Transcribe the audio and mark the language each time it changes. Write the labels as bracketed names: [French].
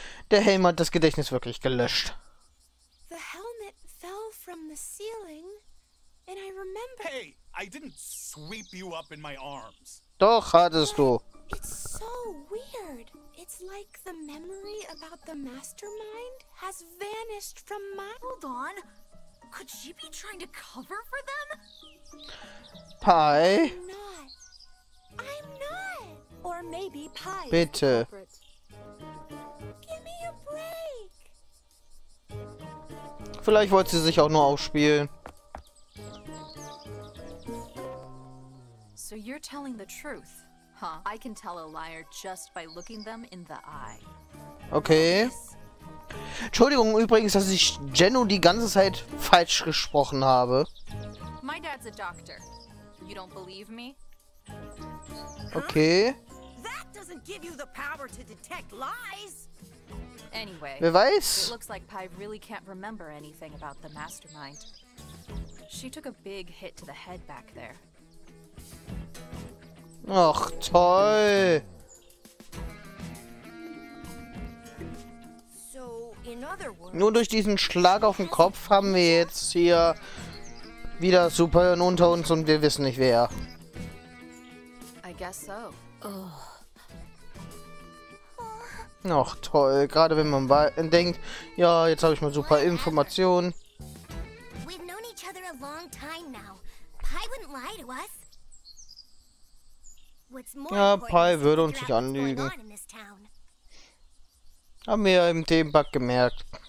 [German] Der Helm hat das Gedächtnis wirklich gelöscht. [English] The helmet fell from the ceiling, and I remember... Hey, I didn't sweep you up in my arms. [German] Doch, hattest du. [English] It's so weird. It's like the memory about the mastermind has vanished from my... Hold on. Could she be trying to cover for them? Pai? I'm not. Or maybe Pi. [German] Bitte. [English] Give me a break. [German] Vielleicht wollte sie sich auch nur aufspielen. [English] So you're telling the truth, huh? I can tell a liar just by looking them in the eye. Okay. [German] Entschuldigung übrigens, dass ich Jenno die ganze Zeit falsch gesprochen habe. [English] My dad's a doctor. You don't believe me? Okay. That doesn't give you the power to detect lies. Anyway. [German] Wer weiß? [English] It looks like Pai really can't remember anything about the mastermind. She took a big hit to the head back there. [German] Ach, toll. [English] So, in other words, [German] nur durch diesen Schlag auf den Kopf haben wir jetzt hier wieder Superhirn unter uns und wir wissen nicht wer. [English] I guess so. [German] Ach toll, gerade wenn man denkt, ja, jetzt habe ich mal super Informationen. [English] We've known each other a long time now. Pai wouldn't lie to us. [German] Ja, Pai würde uns nicht anlügen. Haben wir ja im Themenpark gemerkt.